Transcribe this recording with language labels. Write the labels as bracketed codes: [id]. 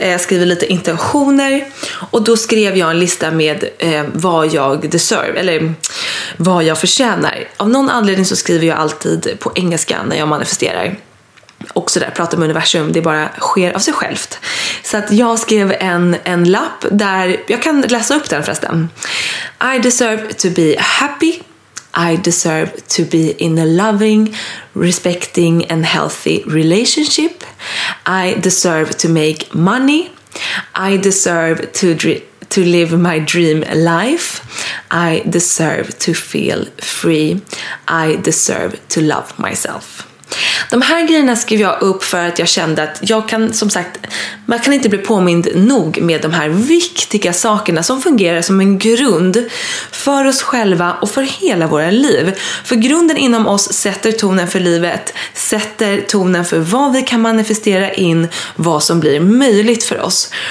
[sv] Jag skriver lite intentioner, och då skrev jag en lista med vad jag deserve, eller vad jag förtjänar. Av någon anledning så skriver jag alltid på engelska när jag manifesterar. Och så där, pratar med universum, det bara sker av sig självt. Så att jag skrev en lapp där, jag kan läsa upp den förresten. [en] I deserve to be happy. I deserve to be in a loving, respecting and healthy relationship. I deserve to make money. I deserve to live my dream life. I deserve to feel free. I deserve to love myself. [sv] De här grejerna skrev jag upp för att jag kände att jag kan, som sagt, man kan inte bli påmind nog med de här viktiga sakerna som fungerar som en grund för oss själva och för hela våra liv. För grunden inom oss sätter tonen för livet, sätter tonen för vad vi kan manifestera in, vad som blir möjligt för oss.